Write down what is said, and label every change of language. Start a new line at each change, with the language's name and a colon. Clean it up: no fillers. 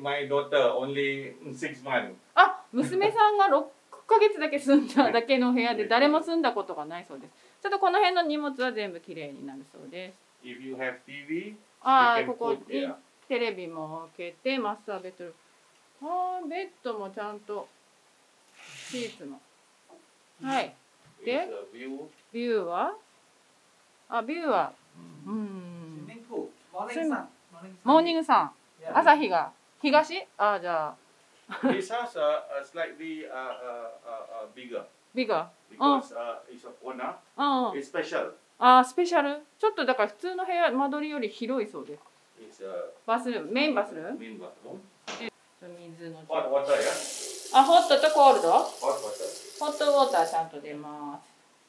English: My daughter only 6 months.
Japanese: あ、娘さんが6ヶ月だけ住んだだけの部屋で誰も住んだことがないそうです。ちょっとこの辺の荷物は全部きれいになるそうです。
English: If you have TV,
Japanese: あ、ここにテレビも置けて、マスターベッドル、あ、ベッドもちゃんとシーツも、はい。で、ビューは、あ、ビューは、うん、モーニングさん、朝日が東、あ、じゃあ
English: This house is slightly bigger. Bigger? Because it's a corner. It's special. Ah, special?
Japanese: ちょっとだから普通の部屋間取りより広いそうです。
English: It's
Japanese: a... バスルーム、メインバスルーム。メインバスルーム。水の。
English: Hot water, yeah?
Japanese: あ、ホットとコールド？
English: Hot water.
Japanese: ホットウォーターちゃんと出ます。